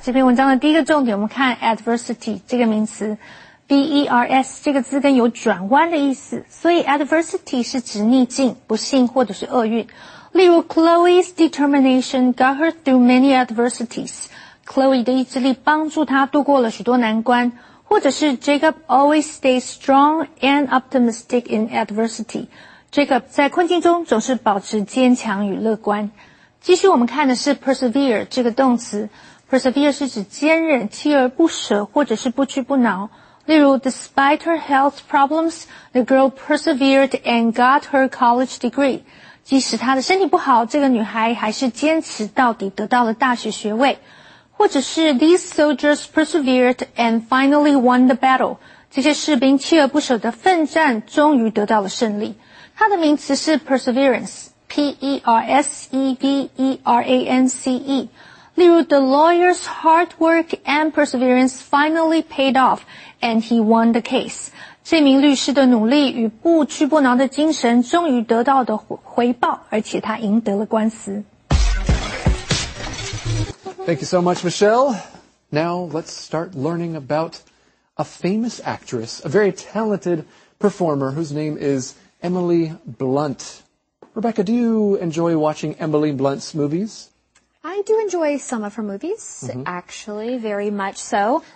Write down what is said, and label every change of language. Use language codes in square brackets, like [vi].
[zh] 这篇文章的第一个重点，我们看 adversity 这个名词 ，vers 这个字根有转弯的意思，所以 adversity 是指逆境、不幸或者是厄运。例如 [en] ，Chloe's determination got her through many adversities. [zh] Chloe 的意志力帮助她度过了许多难关，或者是 [en] Jacob always stays strong and optimistic in adversity. [zh] Jacob 在困境中总是保持坚强与乐观。继续我们看的是 persevere 这个动词。persevere 是指坚忍、锲而不舍或者是不屈不挠。例如 [en] ,despite her health problems, the girl persevered and got her college degree. [zh] 即使她的身体不好，这个女孩还是坚持到底得到了大学学位。或者是 [en] ,these soldiers persevered and finally won the battle. [zh] 这些士兵锲而不舍的奋战终于得到了胜利。它的名词是 perseverance。 [en] P-E-R-S-E-V-E-R-A-N-C-E. [zh] 例如 [en] the lawyer's hard work and perseverance finally paid off, and he won the case. [zh] 这名律师的努力与不屈不挠的精神终于得到的回报，而且他赢得了官司。 [en] Thank you so much, Michelle. Now let's start learning about a famous actress, a very talented performer whose name is Emily Blunt. Rebecca, do you enjoy watching Emily Blunt's movies? I do enjoy some of her movies, actually, very much so.